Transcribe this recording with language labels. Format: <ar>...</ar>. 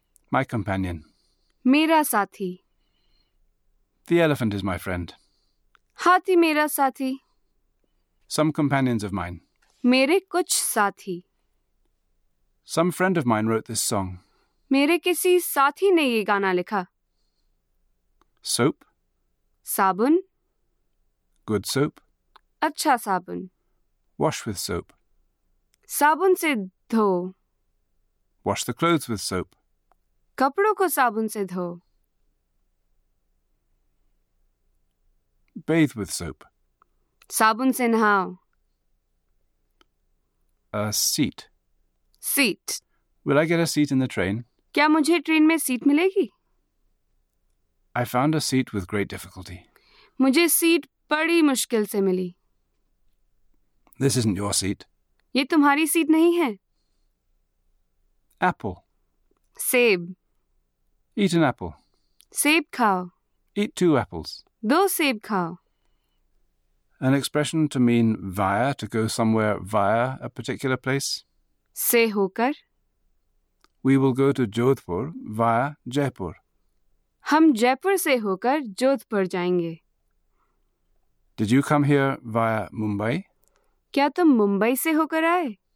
<en>My companion.</en> <hi>मेरा साथी.</hi> <en>The elephant is my friend.</en> <hi>हाथी मेरा साथी.</hi> <en>Some companions of mine.</en> <hi>मेरे कुछ साथी.</hi> <en>Some friend of mine wrote this song.</en> <hi>मेरे किसी साथी ने ये गाना लिखा.</hi> <en>Soap.</en> <hi>साबुन.</hi> <en>Good soap.</en> <hi>अच्छा साबुन.</hi> <en>Wash with soap.</en> <hi>साबुन से धो.</hi> <en>Wash the clothes with soap.</en> <hi>कपड़ों को साबुन से धो.</hi> <en>Bathe with soap.</en> <hi>साबुन से नहाओ.</hi> <en>A seat. Seat. Will I get a seat in the train?</en> <hi>क्या मुझे ट्रेन में सीट मिलेगी?</hi> <en>I found a seat with great difficulty.</en> <hi>मुझे सीट बड़ी मुश्किल से मिली.</hi> <en>This isn't your seat.</en> <hi>ये तुम्हारी सीट नहीं है.</hi> <en>Apple.</en> <hi>सेब.</hi> <en>Eat an apple.</en> <hi>सेब खाओ.</hi> <en>Eat two apples.</en> <hi>दो सेब खाओ.</hi> <en>An expression to mean via, to go somewhere via a particular place.</en> <hi>से होकर.</hi> <en>We will go to Jodhpur via Jaipur.</en> <hi>हम जयपुर से होकर जोधपुर जाएंगे.</hi> <en>Did you come here via Mumbai?</en> <hi>क्या तुम मुंबई से होकर आए?</hi>